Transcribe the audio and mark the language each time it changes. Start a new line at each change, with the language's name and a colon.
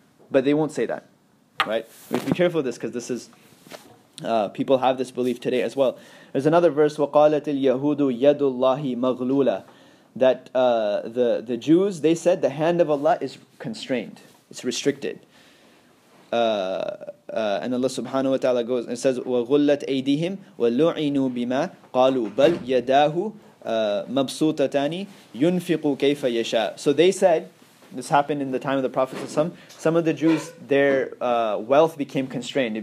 English: But they won't say that, right? We have to be careful of this, because this is, people have this belief today as well. There's another verse,
Arabic: وَقَالَتِ الْيَهُودُ يَدُ اللَّهِ مَغْلُولًا,
English: that the Jews, they said, the hand of Allah is constrained. It's restricted. And Allah subhanahu wa ta'ala goes and says,
Arabic: وَغُلَّتْ أَيْدِهِمْ وَلُعِنُوا بِمَا قَالُوا بَلْ يَدَاهُ مَبْسُوطَتَانِ يُنْفِقُ كَيْفَ يَشَاء.
English: So they said, this happened in the time of the Prophet, some of the Jews, their wealth became constrained.